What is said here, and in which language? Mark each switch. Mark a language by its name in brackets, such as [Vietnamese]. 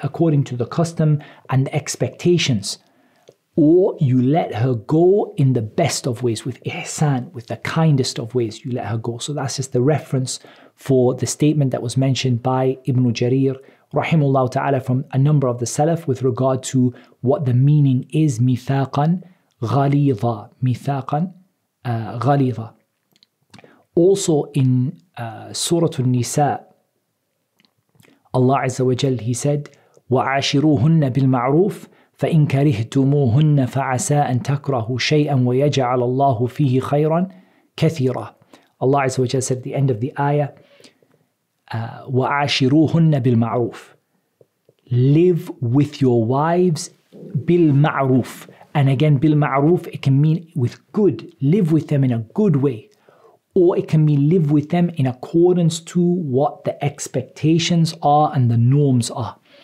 [English] according to the custom and the expectations, or you let her go in the best of ways, with ihsan, with the kindest of ways you let her go. So that's just the reference for the statement that was mentioned by Ibn Jarir rahimullah ta'ala from a number of the salaf with regard to what the meaning is, mithaqan ghaliza, mithaqan ghaliza. Also in Surah An-Nisa, Allah Azza wa Jal, he said, [Arabic] وَعَاشِرُوهُنَّ بِالْمَعْرُوفِ فَإِنْ كَرِهْتُمُوهُنَّ فَعَسَىٰ أَنْ تَكْرَهُ شَيْئًا وَيَجَعَلَ اللَّهُ فِيهِ خَيْرًا كَثِيرًا. [English] Allah Azza wa Jal said at the end of the ayah, [Arabic] وَعَاشِرُوهُنَّ بِالْمَعْرُوفِ. [English] Live with your wives [Arabic] بالمعروف. [English] And again, [Arabic] بالمعروف, [English] it can mean with good. Live with them in a good way. Or it can mean live with them in accordance to what the expectations are and the norms are.